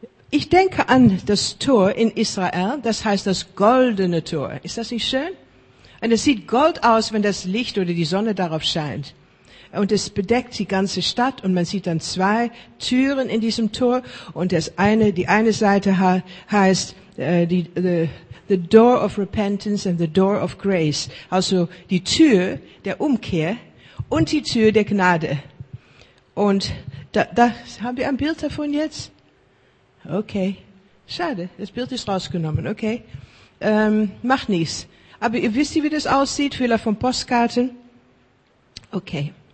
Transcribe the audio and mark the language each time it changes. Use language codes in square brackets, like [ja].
[de] Ich denke an das Tor in Israel. Das heißt das goldene Tor. Ist das nicht schön? Und es sieht gold aus, wenn das Licht oder die Sonne darauf scheint. Und es bedeckt die ganze Stadt. Und man sieht dann zwei Türen in diesem Tor. Und das eine, die eine Seite heißt die [en] the door of repentance and the door of grace. [de] Also die Tür der Umkehr und die Tür der Gnade. Und da haben wir ein Bild davon jetzt? Okay. Schade, das Bild ist rausgenommen. Okay. Macht nichts. Aber ihr wisst, wie das aussieht, Fehler von Postkarten? Okay.